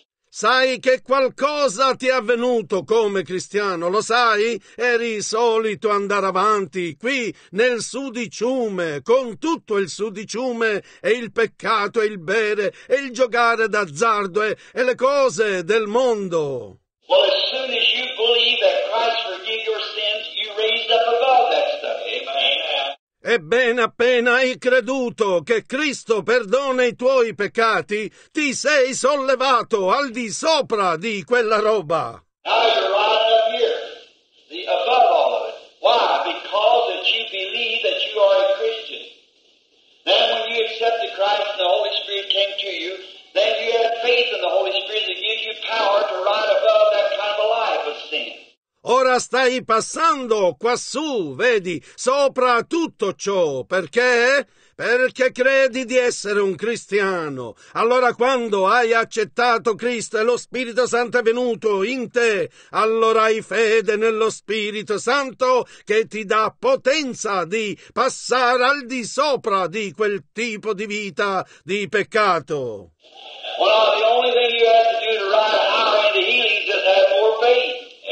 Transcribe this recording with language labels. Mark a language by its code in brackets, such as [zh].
[it] Sai che qualcosa ti è avvenuto come cristiano, lo sai? Eri solito andare avanti qui nel sudiciume, con tutto il sudiciume e il peccato e il bere e il giocare d'azzardo e le cose del mondo. [en] Well, as soon as you believe that Christ forgave your sins, you raised up above that stuff. [it] Ebbene, appena hai creduto che Cristo perdona i tuoi peccati, ti sei sollevato al di sopra di quella roba. [en] Now you're right up here, the above all of it. Why? Because that you believe that you are a Christian. Then when you accepted Christ and the Holy Spirit came to you, then you had faith in the Holy Spirit that gives you power to ride above that kind of a life of sin. [it] Ora stai passando quassù, vedi, sopra tutto ciò. Perché? Perché credi di essere un cristiano. Allora quando hai accettato Cristo e lo Spirito Santo è venuto in te, allora hai fede nello Spirito Santo che ti dà potenza di passare al di sopra di quel tipo di vita di peccato. [en] Well, the only thing you have to do to ride higher into healing is just have more faith.